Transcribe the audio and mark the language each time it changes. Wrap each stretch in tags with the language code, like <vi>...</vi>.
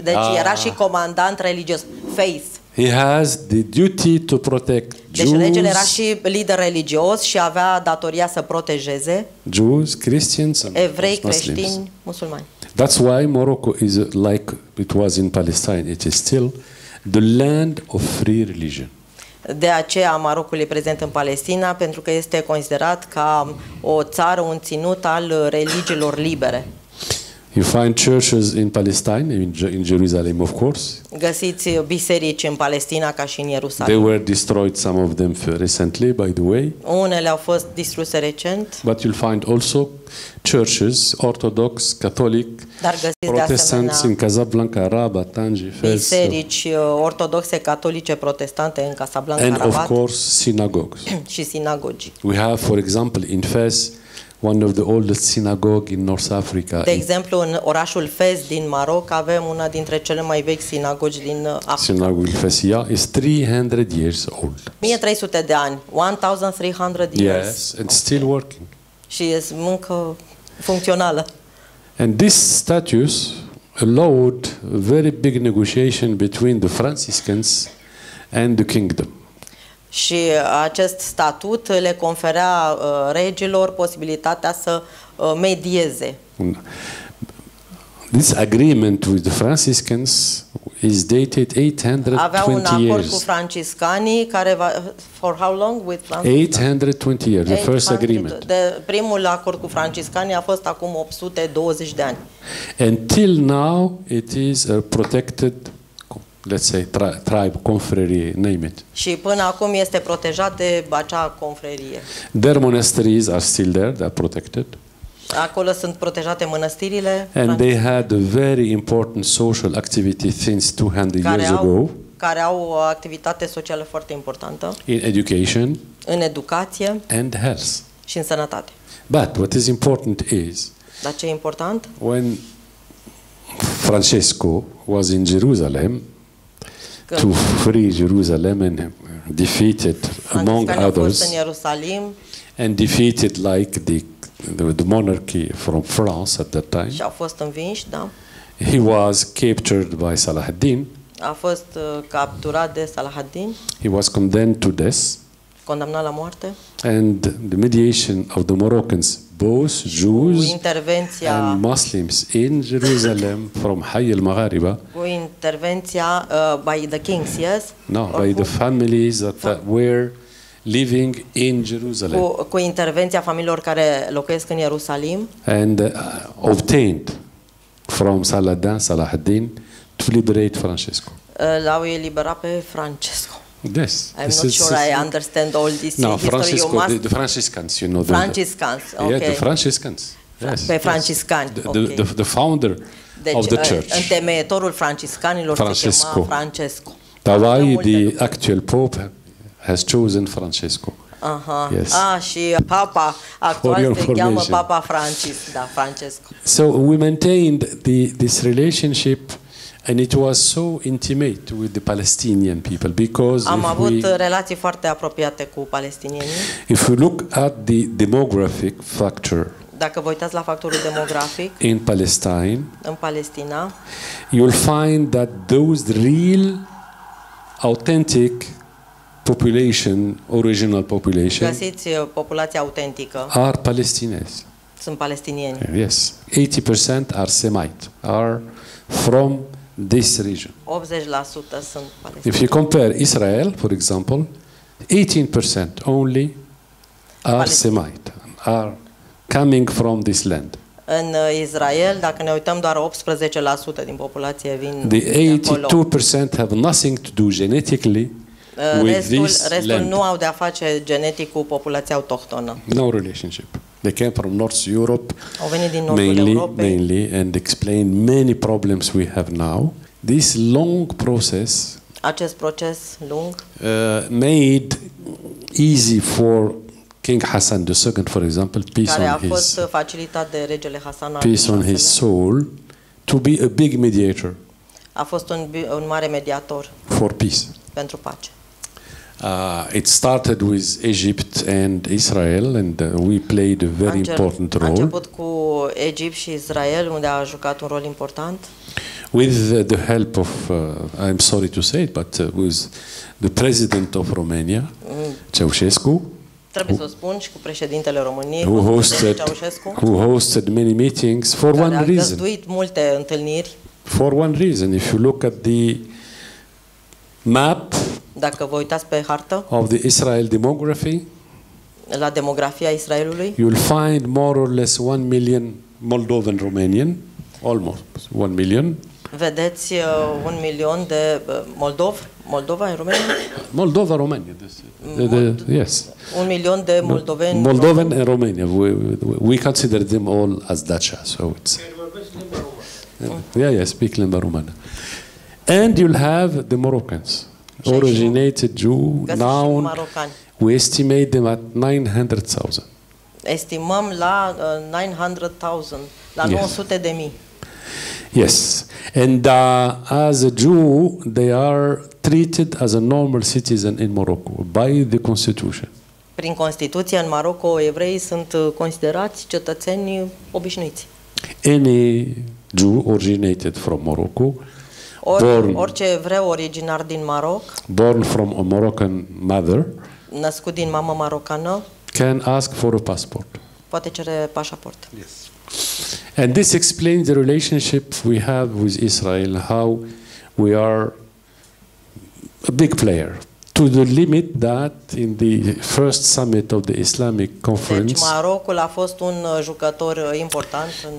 <ro>Deci era și comandant religios.</ro> <en>Faith. He has the duty to protect Jews.</en> <ro>Deci regele era și lider religios și avea datoria să protejeze</ro> <en>Jews, Christians, and</en> <ro>evrei,</ro> <en>Muslims.</en> <ro>Creștini, musulmani.</ro> <en>That's why Morocco is like it was in Palestine. It is still the land of free religion.</en> <ro>De aceea Marocul e prezent în Palestina, pentru că este considerat ca o țară, un ținut al religiilor libere.</ro> <en>You find churches in Palestine, in Jerusalem, of course.</en> <ro>Găsiți biserici în Palestina ca și în Ierusalim.</ro> <en>They were destroyed, some of them recently, by the way.</en> <ro>Unele au fost distruse recent.</ro> <en>But you'll find also churches, Orthodox, Catholic, Protestants in Casablanca, Rabat, Tangi, Fez.</en> <ro>Biserici ortodoxe, catolice, protestante în Casablanca, Rabat.</ro> <en>And of course, synagogues.</en> <ro>Și sinagogi.</ro> <en>We have, for example, in Fez, one of the oldest synagogue in North Africa.</en> <ro>De exemplu, în orașul Fez din Maroc avem una dintre cele mai vechi sinagogi din Africa.</ro> <en>Synagogue Fez, yeah, is 300 years old.</en> <ro>1300 de ani.</ro> <en>1300 years. Yes, and okay. Still working.</en> <ro>Și e încă funcțională.</ro> <en>And this status allowed a very big negotiation between the Franciscans and the kingdom.</en> <ro>Și acest statut le conferea regilor posibilitatea să medieze.</ro> <en>This agreement with the Franciscans is dated 820 years.</en> <ro>Avea un acord cu franciscanii care va,</ro> <en>for how long with Franciscans? 820 years, the first agreement.</en> <ro>De primul acord cu franciscanii a fost acum 820 de ani.</ro> <en>Until now it is a protected, let's say, tribe, confrerie, name it.</en> <ro>Și până acum este protejat de acea confrerie.</ro> <en>Their monasteries are still there, they are protected.</en> <ro>Acolo sunt protejate mănăstirile.</ro> <en>And they had a very important social activity since 200 years ago.</en> <ro>Care au o activitate socială foarte importantă.</ro> <en>In education.</en> <ro>În educație.</ro> <en>And health.</en> <ro>Și în sănătate.</ro> <en>But what is important is.</en> <ro>Dar ce e important?</ro> <en>When Francesco was in Jerusalem, to free Jerusalem and defeated among others and defeated like the monarchy from France at that time.</en> <ro>Și a fost învins, da.</ro> <en>He was captured by Salahaddin.</en> <ro>A fost capturat de Salahaddin.</ro> <en>He was condemned to death.</en> <ro>Condamnat la moarte.</ro> <en>And the mediation of the Moroccans, both Jews</en> <ro>intervenția</ro> <en>and Muslims in Jerusalem from Hayy al-Maghariba.</en> <ro>Cu intervenția</ro> <en>by the kings, yes? No, by the families that were living in Jerusalem.</en> <ro>Cu intervenția familiilor care locuiesc în Ierusalim.</ro> <en>And obtained from Salahaddin to liberate Francesco.</en> <ro>L-au eliberat pe Francesco.</ro> <en>Yes. I'm not sure I understand all this. No, Francisco, the Franciscans, you know. Franciscans, okay. Yeah, the Franciscans. Yes.</en> <ro>Pe franciscani.</ro> <en>Yes. The founder, deci, of the church.</en> <ro>Întemeitorul franciscanilor,</ro> <en>Francesco.</en> <ro>Se chema Francesco.</ro> <en>Tavai, the actual pope, has chosen Francesco. Uh-huh. Yes.</en> <ro>Ah, și papa actual se cheamă Papa Francis, da, Francesco.</ro> <en>So we maintained this relationship. And it was so intimate with the Palestinian people because</en> <ro>am avut relații foarte apropiate cu palestinienii.</ro> <en>If you look at the demographic factor,</en> <ro>dacă vă uitați la factorul demografic</ro> <en>in Palestine,</en> <ro>în Palestina,</ro> <en>you'll find that those real authentic population, original population,</en> <ro>găsiți populația autentică,</ro> <en>are Palestinians.</en> <ro>Sunt palestinieni.</ro> <en>Yes, 80% are Semite, are from this region.</en> <ro>80% sunt palestinieni.</ro> <en>If you compare Israel, for example, 18% only are Semite, are coming from this land.</en> <ro>În Israel, dacă ne uităm, doar 18% din populație vin.</ro> <en>The 82% have nothing to do genetically with this land.</en> <ro>Restul nu au de a face genetic cu populația autohtonă.</ro> <en>No relationship. They came from North Europe,</en> <ro>au venit din nordul</ro> <en>mainly,</en> <ro>Europei.</ro> <en>Mainly, and explained many problems we have now. This long process,</en> <ro>acest proces lung,</ro> <en>made easy for King Hassan II, for example, peace</en> <ro>care</ro> <en>on</en> <ro>a fost</ro> <en>his,</en> <ro>facilitat de regele Hassan,</ro> <en>peace on his soul, to be a big mediator.</en> <ro>A fost un mare mediator</ro> <en>for peace.</en> <ro>Pentru pace.</ro> <en>It started with Egypt and Israel, and we played a very important role.</en> <ro>A început cu Egipt și Israel, unde a jucat un rol important.</ro> <en>With the help of, I'm sorry to say it, but with the president of Romania, Ceaușescu.</en> <ro>Trebuie să o spun și cu președintele României,</ro> <en>who hosted many meetings for one reason.</en> <ro>Care a găzduit multe întâlniri.</ro> <en>For one reason, if you look at the map,</en> <ro>dacă vă uitați pe hartă,</ro> <en>of the Israel demography,</en> <ro>la demografia Israelului,</ro> <en>you'll find more or less 1 million Moldovan Romanian, almost 1 million.</en> <ro>Vedeți un milion de moldovi, Moldova în România?</ro> <en>Moldova România, yes.</en> <ro>Un milion de moldoveni. Moldoveni în România.</ro> <en>We consider them all as Dacia, so it's. Yeah, speak</en> <ro>limba română.</ro> <en>And you'll have the Moroccans, originated Jew, now we estimate them at 900,000.</en> <ro>Estimăm la 900,000, la 900 de mii.</ro> <en>Yes, and as a Jew, they are treated as a normal citizen in Morocco by the constitution.</en> <ro>Prin constituție în Marocco, evreii sunt considerați cetățeni obișnuiți.</ro> <en>Any Jew originated from Morocco,</en> <ro>orice evreu originar din Maroc,</ro> <en>born from a Moroccan mother,</en> <ro>născut din mamă marocană,</ro> <en>can ask for a passport.</en> <ro>Poate cere pașaport.</ro> <en>Yes. And this explains the relationship we have with Israel, how we are a big player, to the limit that in the first summit of the Islamic conference,</en> <ro>deci Marocul a fost un jucător important în</ro>